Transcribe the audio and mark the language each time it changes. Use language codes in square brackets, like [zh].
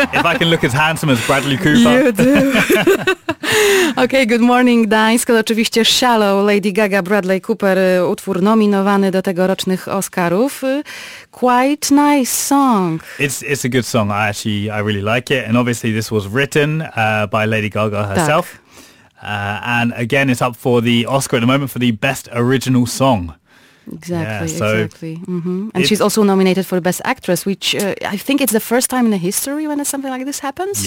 [en] If I can look as handsome as Bradley Cooper. You do. Okej, good morning, Gdańsk. [pl] Oczywiście Shallow, Lady Gaga, Bradley Cooper, utwór nominowany do tegorocznych Oscarów. [en] Quite nice song. It's a good song. I really like it. And obviously this was written by Lady Gaga herself. [pl] Tak. [en] And again, it's up for the Oscar at the moment for the best original song. Exactly. Mm-hmm. And she's also nominated for Best Actress, which I think it's the first time in the history when something like this happens.